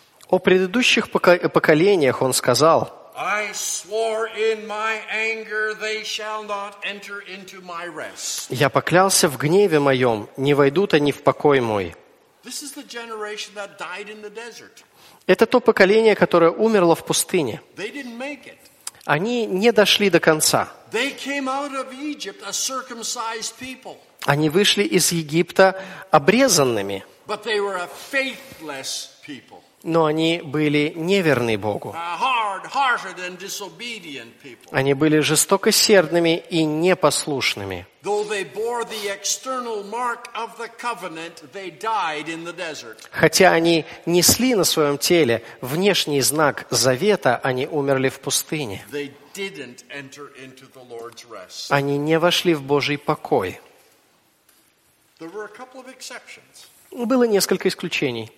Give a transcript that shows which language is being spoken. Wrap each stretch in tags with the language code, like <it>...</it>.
<ru>О предыдущих поколениях он сказал:</ru> <en>I swore in my anger, they shall not enter into my rest.</en> <ru>Я поклялся в гневе моем, не войдут они в покой мой.</ru> <en>This is the generation that died in the desert.</en> <ru>Это то поколение, которое умерло в пустыне.</ru> <en>They didn't make it.</en> <ru>Они не дошли до конца.</ru> <en>They came out of Egypt, a circumcised people.</en> <ru>Они вышли из Египта обрезанными.</ru> <en>But they were a faithless people.</en> <ru>Но они были неверны Богу.</ru> <en>Ahar! hard-hearted and disobedient people.</en> <ru>Они были жестокосердными и непослушными.</ru> <en>Though they bore the external mark of the covenant, they died in the desert.</en> <ru>Хотя они несли на своем теле внешний знак завета, они умерли в пустыне.</ru> <en>They didn't enter into the Lord's rest.</en> <ru>Они не вошли в Божий покой.</ru> <en>There were a couple of exceptions.</en> <ru>Было несколько исключений.</ru>